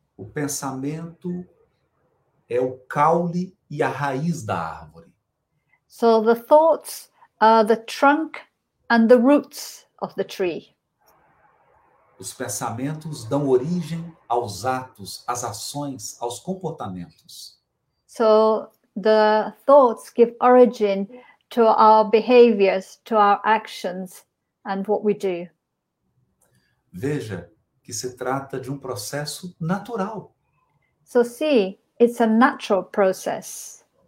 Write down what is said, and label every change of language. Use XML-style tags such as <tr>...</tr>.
<pt>O pensamento é o caule e a raiz da árvore.</pt> <en>So the thoughts are the trunk and the roots of the tree.</en> <pt>Os pensamentos dão origem aos atos, às ações, aos comportamentos.</pt> <en>So the thoughts give origin to our behaviors, to our actions and what we do.</en> <pt>Veja que se trata de processo natural.</pt> <en>So see, it's a natural process.</en>